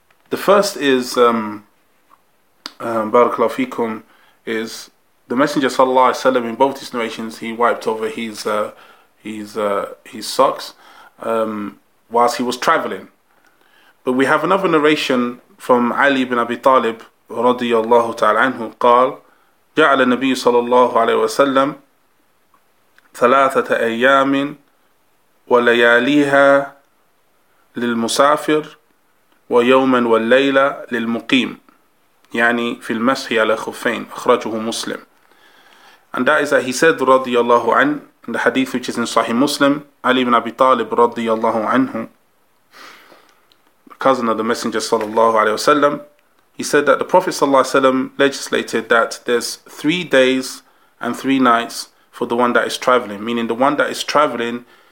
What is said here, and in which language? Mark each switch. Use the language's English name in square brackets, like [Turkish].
[English] The first is, barakallahu fikum, is the Messenger sallallahu alaihi wasallam, in both these narrations, he wiped over his socks whilst he was traveling. But we have another narration from Ali ibn Abi Talib radiyallahu ta'ala anhu, [Arabic] قال جعل النبي صلى الله عليه وسلم ثلاثة أيام ولياليها للمسافر ويوما والليلة للمقيم يعني في المسح على خفين أخرجه مسلم. [English] And that is that he said, radiyallahu anhu, in the hadith which is in Sahih Muslim, Ali ibn Abi Talib radiyallahu anhu, cousin of the Messenger sallallahu alayhi wasallam, he said that the Prophet sallallahu alayhi wasallam legislated that there's 3 days and three nights for the one that is traveling, meaning the one that is traveling,